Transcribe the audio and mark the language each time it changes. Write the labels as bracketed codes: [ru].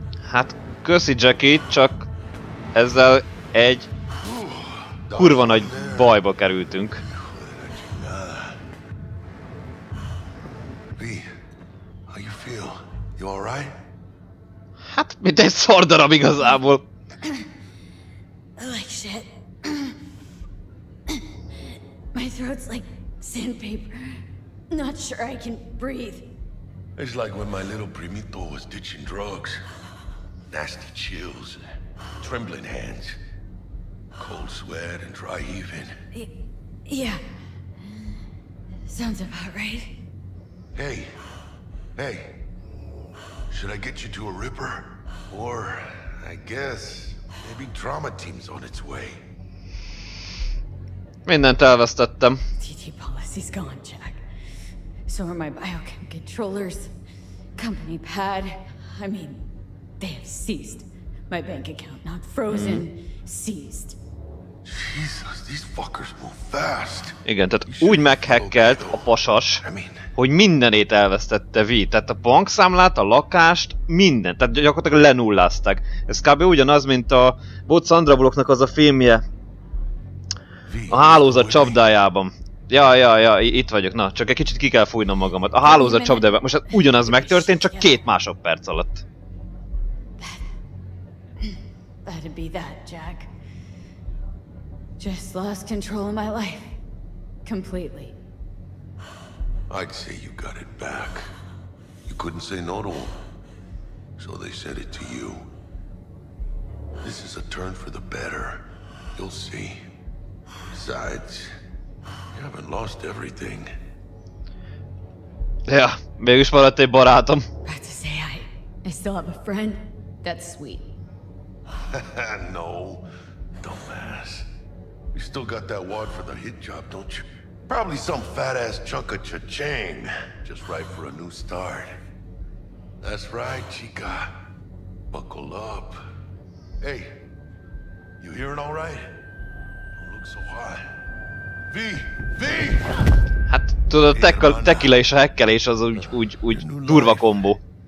[hu] Hát, köszi Jackie, csak ezzel egy kurva nagy bajba kerültünk. [en] V, how you feel? You all right? [hu] Hát, mint egy szar darab igazából. [en] Like shit. My throat's like sandpaper. Not sure I can breathe. It's like when my little primito was ditching drugs. Nasty chills, trembling hands, cold sweat and dry heaving. Yeah. Sounds about right. Hey. Should I get you to a ripper? Or, I guess, maybe trauma team's on its way. [hu] Mindent elvesztettem. [en] TT policy's gone, Jack. So are my biochem controllers, company pad, I mean... They have seized my bank account, not frozen, seized. Jesus, these fuckers move fast. [hu] Igen, tehát úgy meghekkelt a pasas, hogy mindenét elvesztette V. Tehát a bankszámlát, a lakást, mindent. Tehát gyakorlatilag lenullázták. Ez kb. Ugyanaz, mint a Bud Sandra Bullocknak az a filmje. A hálózat csapdájában. Ja, itt vagyok. Na, csak egy kicsit ki kell fújnom magamat. A hálózat csapdájában. Most hát ugyanaz megtörtént, csak két másodperc alatt. [en] To be that, Jack. Just lost control of my life. Completely. I'd say you got it back. You couldn't say no to him. So they sent it to you. This is a turn for the better. You'll see. Besides, you haven't lost everything. [hu] Yeah, mégis maradt egy barátom. [en] About to say, I still have a friend. That's sweet. No, dumbass. You still got that wad for the hit job, don't you? Probably some fat-ass chunk of cha-ching. Just right for a new start. That's right, chica. Buckle up. Hey, you hearing all right? Don't look so hot. V! V! [hu] Hát, tudod, a tequila és a hekkelés az úgy durva kombó.